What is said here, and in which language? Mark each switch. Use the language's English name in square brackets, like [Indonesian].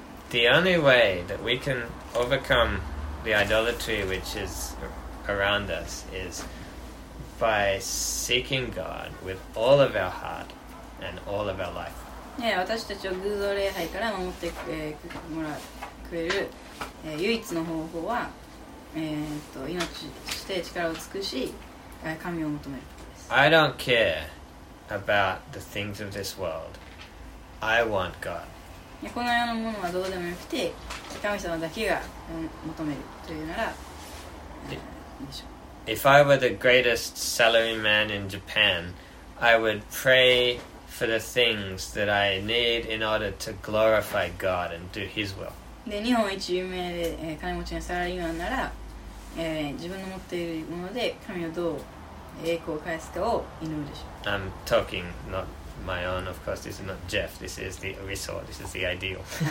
[English] The only way that we can overcome the idolatry which is around us is by seeking God with all of our heart and all of our life. [Japanese] Yeah, 私たちを偶像礼拝から守ってもらくれる、唯一の方法は、命して力を尽くし、神を求めることです。 [English] I don't care about the things of this world. I want God. [Japanese] この世のものはどうでもよくて神様だけが求めるというなら、でしょう。 [English] If I were the greatest salary man in Japan, I would pray for the things that I need in order to glorify God and do His will. [Japanese] で、日本一有名で金持ちのサラリーマンなら、自分の持っているもので神をどう栄光を返すかを祈るでしょう。 [English] I'm talking notMy own, of course, this is not Jeff, this is the resource, this is the ideal.